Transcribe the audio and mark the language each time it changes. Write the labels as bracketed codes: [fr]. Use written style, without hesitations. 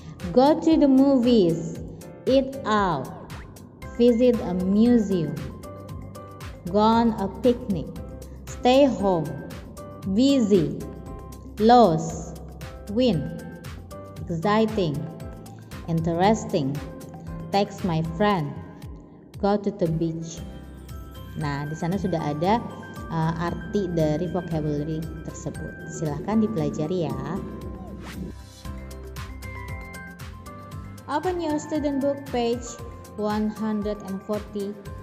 [en] Go to the movies, eat out, visit a museum, go on a picnic, stay home, busy, lose, win, exciting, interesting, text my friend, go to the beach. [id] Nah, di sana sudah ada arti dari vocabulary tersebut. Silakan dipelajari ya. [en] Open your student book page 146.